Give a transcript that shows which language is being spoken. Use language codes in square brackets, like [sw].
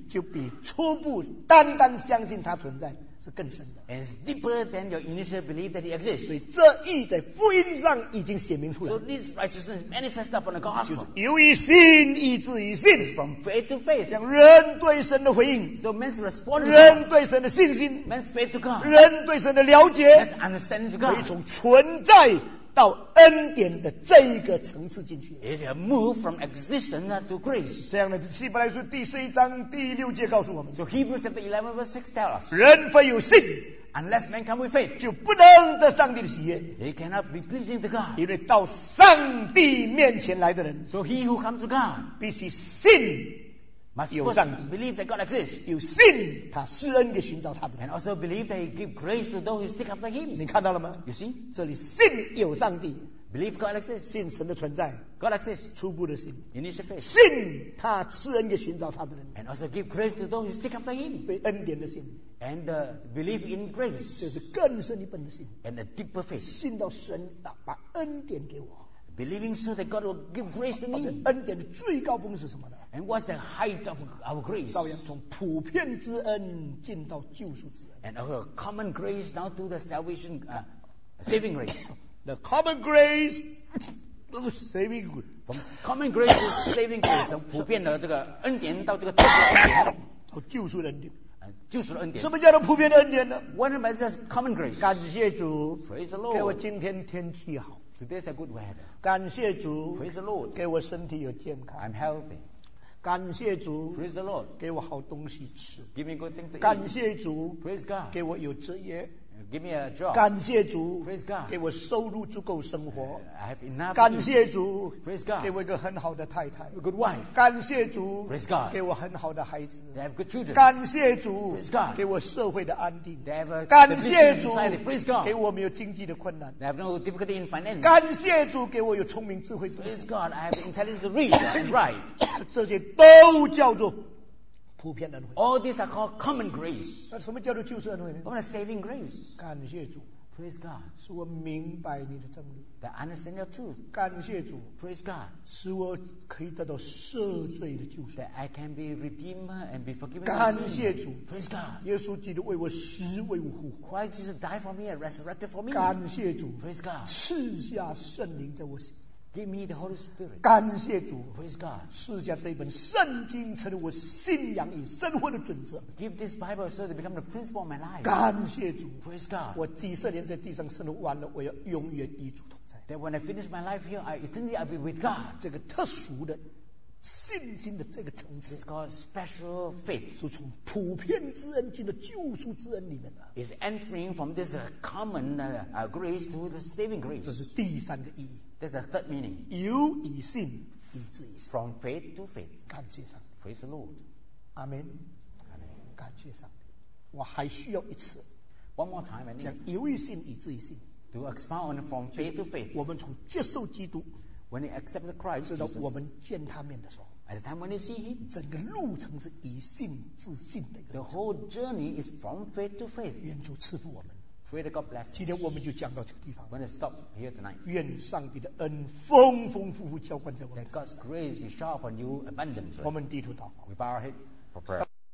[zh] 就比初步单单相信他存在是更深的。 [en] And it's deeper than your initial belief that he exists. [zh] 所以这义在福音上已经显明出来。 [en] So this righteousness is manifested upon the gospel. [zh] 就是由于信义至于信。 [en] From faith to faith. [zh] 像人对神的回应。 [en] So men's response. [zh] 人对神的信心。 [en] Men's faith to God. [zh] 人对神的了解 [en] understanding to God. [zh] 可以从存在到恩典的这一个层次进去 [en] It has moved from existence to grace [zh] 这样的希伯来书第十一章第六节告诉我们 [en] So Hebrews chapter 11 verse 6 tells us [zh] 人非有信 [en] Unless man come with faith [zh] 就不能得上帝的喜悦 [en] He cannot be pleasing to God [zh] 因为到上帝面前来的人 [en] So he who comes to God [zh] 必须信 [en] Must [zh] 有上帝 [en] believe that God exists. [zh] 有信他施恩给寻找他的 [en] And also believe that he gives grace to those who seek after him. [zh] 你看到了吗 [en] You see? [zh] 这里信有上帝 [en] Believe God exists. [zh] 信神的存在 [en] God exists. [zh] 初步的信 [en] Initial faith. [zh] 信他施恩给寻找他的人 [en] And also give grace to those who seek after him. [zh] 对恩典的信 [en] And the belief in grace. [zh] 这是更深一本的信 [en] And a deeper faith. [zh] 信到神把恩典给我 [en] Believing so that God will give grace to me. [zh] 恩典的最高峰是什么呢? [en] And what's the height of our grace? [zh] 照样从普遍之恩进到救赎之恩。 [en] And our common grace now to the salvation, saving grace. The common grace, saving grace. From common grace to saving grace, [zh] 从普遍的这个恩典到这个特别的恩典。到救赎的恩典。什么叫做普遍的恩典呢? [en] What about this common grace? [zh] 感谢主, [en] Praise the Lord. [zh] 给我今天天气好。 [en] Today's a good weather. [zh] 感谢主, [en] Praise the Lord. [zh] 给我身体有健康。 [en] I'm healthy. [zh] 感谢主, [en] Praise the Lord. [zh] 给我好东西吃。 [en] Give me good things to eat. [zh] 感谢主, [en] Praise God. [zh] 给我有职业。 [en] Give me a job. [zh] 感谢主, [en] Praise God. [zh] 给我收入足够生活。 [en] I have enough. [zh] 感谢主, [en] Praise God. [zh] 给我一个很好的太太。 [en] A good wife. [zh] 感谢主, [en] Praise God. [zh] 给我很好的孩子。 [en] They have good children. [zh] 感谢主, [en] Praise God. [zh] 给我社会的安定。 [en] They have a good [zh] 感谢主, [en] Praise God. [zh] 给我没有经济的困难。 [en] They have no difficulty in finance. [zh] 感谢主, 给我有聪明智慧的人。 [en] Praise God. I have intelligence to read and write. [zh] 这些都叫做 [en] All these are called common grace. [zh] 那什么叫做救世恩惠呢? [en] What about saving grace? [zh] 感谢主, [en] Praise God. [zh] 使我明白你的真理, [en] that I understand your truth. [zh] 感谢主, [en] Praise God. [zh] 使我可以得到赦罪的救赎, [en] that I can be redeemer and be forgiven. [zh] 感谢主, [en] Praise God. [zh] 耶稣基督为我死为我复活, [en] Christ Jesus died for me and resurrected for me. [zh] 感谢主, [en] Praise God. [zh] 赐下圣灵在我心, [en] Give me the Holy Spirit. [zh] 感谢主, [en] Praise God. [zh] 赐下这本圣经成为我信仰与生活的准则, [en] Give this Bible so that it becomes the principle of my life. [zh] 感谢主, [en] Praise God. [zh] 我几十年在地上生活完了，我要永远与主同在, [en] that when I finish my life here, I eternally I'll be with God. [zh] 这个特殊的信心的这个层次, [en] It's called special faith. [zh] 是从普遍之恩进的救赎之恩里面的, [en] It's entering from this common grace to the saving grace. [zh] 这是第三个意义。 [en] That's the third meaning. [zh] 由以信, [en] From faith to faith. [zh] 感谢上, [en] Praise the Lord. Amen. Amen. [zh] 感谢上, 我还需要一次, [en] One more time. [zh] 讲由以信, [en] To expound on from faith to faith. [zh] 我们从接受基督, [en] When you accept the Christ, [zh] 直到我们见他面的时候, [en] At the time when you see him, [zh] 整个路程是以信自信的一个, [en] The whole journey is from faith to faith. [zh] 愿主赐福我们, [en] Pray that God bless us. [zh] 今天我们就讲到这个地方, [en] We're going to stop here tonight. [zh] 愿上帝的恩丰丰富富浇灌在我们的心。 [en] That God's grace be sharp on you abundantly. [zh] 我们低头祷告。 [en] We bow our head for prayer.